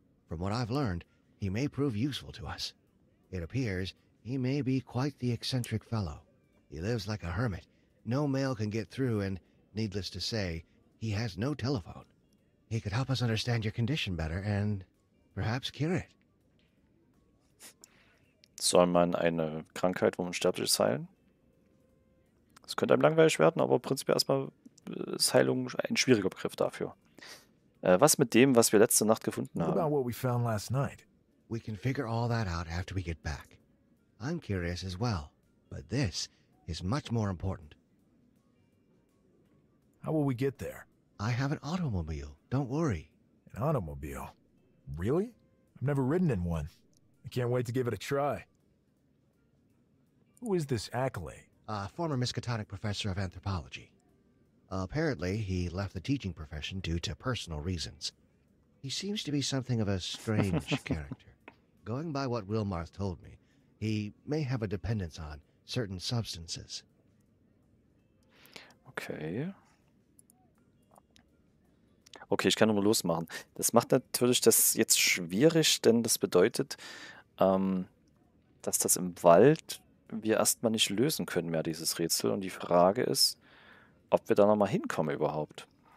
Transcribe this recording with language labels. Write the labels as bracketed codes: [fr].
[en] From what I've learned, he may prove useful to us. It appears he may be quite the eccentric fellow. He lives like a hermit. No mail can get through, and needless to say, he has no telephone. He could help us understand your condition better and perhaps cure it. [de] Soll man eine Krankheit, wo man sterblich ist, heilen? Es könnte einem langweilig werden, aber prinzipiell erstmal ist Heilung ein schwieriger Begriff dafür. Was mit dem, was wir letzte Nacht gefunden haben? [en] What about what we found last night? We can figure all that out after we get back. I'm curious as well, but this is much more important. How will we get there? I have an automobile, don't worry. An automobile? Really? I've never ridden in one. I can't wait to give it a try. Who is this Ackley? A former Miskatonic professor of anthropology. Apparently, he left the teaching profession due to personal reasons. He seems to be something of a strange character. Going by what Wilmarth told me, he may have a dependence on certain substances. Okay. [de] Okay, ich kann nur losmachen. Das macht natürlich das jetzt schwierig, denn das bedeutet, dass das im Wald wir erstmal nicht lösen können mehr, dieses Rätsel. Und die Frage ist, ob wir da nochmal hinkommen überhaupt.